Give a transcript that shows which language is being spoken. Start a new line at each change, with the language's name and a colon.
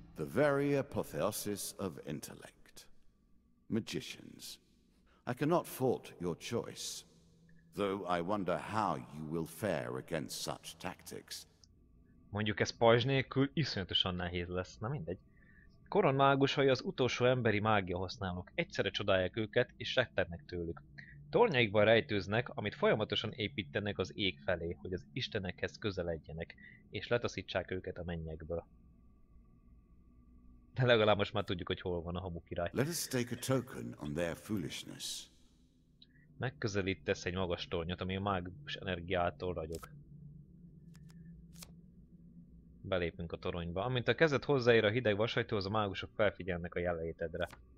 English: The very apotheosis of intellect. Magicians. I cannot fault your choice. Though I wonder how you will fare against such tactics.
Hungarian: Mondjuk ez pajzs nélkül iszonyatosan nehéz lesz, na mindegy. Koron mágusai az utolsó emberi mágia használók. Egyszerre csodálják őket és rettennek tőlük. Tornyaikban rejtőznek, amit folyamatosan építenek az ég felé, hogy az istenekhez közeledjenek, és letaszítsák őket a mennyekből. De legalább most már tudjuk, hogy hol van a hamu király.
English: Let us take a token on their foolishness.
Hungarian: Megközelítesz egy magas tornyot, ami a mágus energiától ragyog. Belépünk a toronyba. Amint a kezed hozzáér a hideg vasajtóhoz, a mágusok felfigyelnek a jelenlétedre.